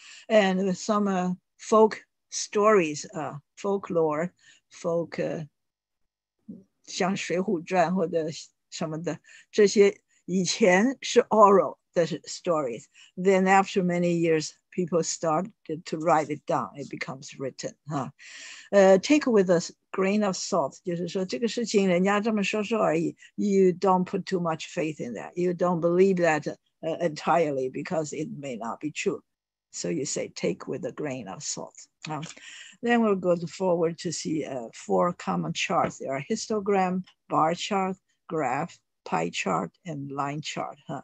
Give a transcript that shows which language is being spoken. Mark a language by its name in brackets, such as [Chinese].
[English] And some folk stories, folklore, folk, [Chinese] 像水浒传或者什么的，这些以前是 [English] oral 的 stories. Then after many years, people started to write it down. It becomes written. Take with a grain of salt. [Chinese] 就是说这个事情人家这么说说而已。 [English] You don't put too much faith in that. You don't believe that. Entirely because it may not be true. So you say, take with a grain of salt. Then we'll go forward to see four common charts. There are histogram, bar chart, graph, pie chart, and line chart.